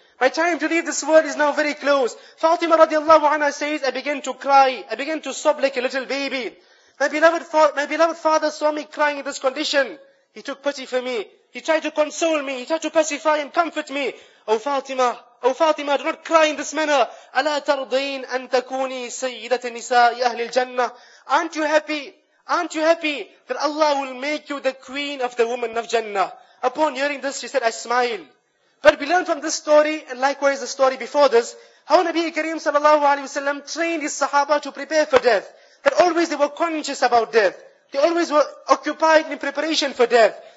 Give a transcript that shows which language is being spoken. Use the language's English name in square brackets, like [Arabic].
[English] My time to leave this world is now very close. Fatima radiallahu anha says, I began to cry. I began to sob like a little baby. My beloved father saw me crying in this condition. He took pity for me. He tried to console me. He tried to pacify and comfort me. O Fatima, do not cry in this manner. [Arabic] أَلَا تَرْضَيْنَ أَن تَكُونِي سَيِّدَةَ النِّسَاءِ أَهْلِ الْجَنَّةِ [English] Aren't you happy? Aren't you happy that Allah will make you the queen of the women of Jannah? Upon hearing this, she said, I smile. But we learn from this story, and likewise the story before this, how Nabi Kareem sallallahu alayhi wa sallam trained his sahaba to prepare for death. That always they were conscious about death. They always were occupied in preparation for death.